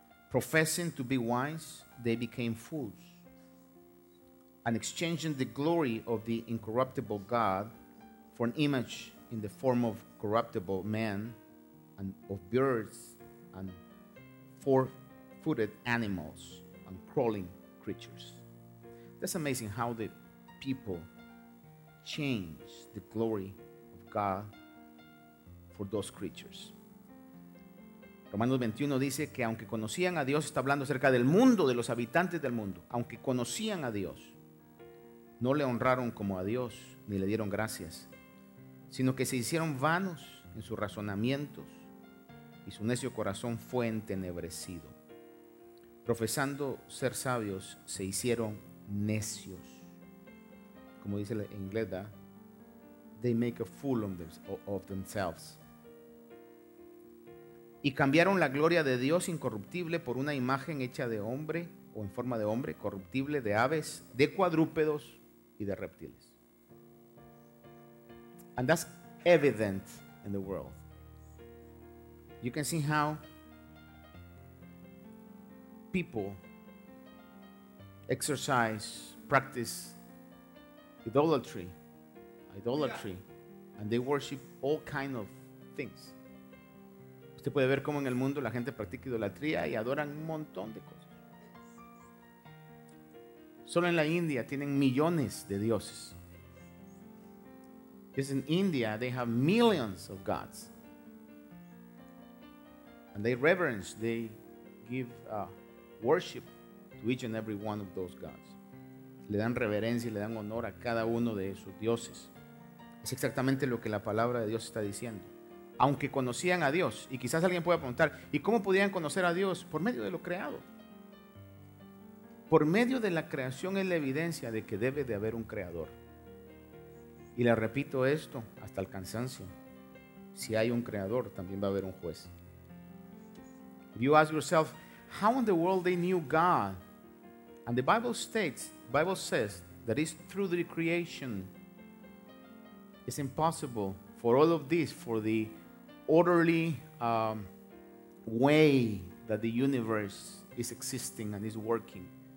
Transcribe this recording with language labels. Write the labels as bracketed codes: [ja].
[en] Professing to be wise, they became fools, and exchanging the glory of the incorruptible God for an image in the form of corruptible man and of birds and four-footed animals and crawling creatures. That's amazing how the people changed the glory of God for those creatures. [es] Romanos 21 dice que aunque conocían a Dios, está hablando acerca del mundo, de los habitantes del mundo, aunque conocían a Dios, no le honraron como a Dios ni le dieron gracias, sino que se hicieron vanos en sus razonamientos y su necio corazón fue entenebrecido. Profesando ser sabios, se hicieron necios. Como dice en inglés, [en] they make a fool of themselves. [es] Y cambiaron la gloria de Dios incorruptible por una imagen hecha de hombre o en forma de hombre, corruptible, de aves, de cuadrúpedos y de reptiles. [en] And that's evident in the world. You can see how people exercise, practice idolatry, and they worship all kinds of things. [es] Se puede ver cómo en el mundo la gente practica idolatría y adoran un montón de cosas. Solo en la India tienen millones de dioses. [en] Just in India they have millions of gods. And they reverence, they give worship to each and every one of those gods. [es] Le dan reverencia y le dan honor a cada uno de esos dioses. Es exactamente lo que la palabra de Dios está diciendo. Aunque conocían a Dios, y quizás alguien pueda preguntar, ¿y cómo podían conocer a Dios? Por medio de lo creado. Por medio de la creación es la evidencia de que debe de haber un creador. Y le repito esto hasta el cansancio. Si hay un creador, también va a haber un juez. [en] You ask yourself, how in the world they knew God? And the Bible states, Bible says, that it's through the creation. It's impossible for all of this, for the orderly way that the universe is existing and is working.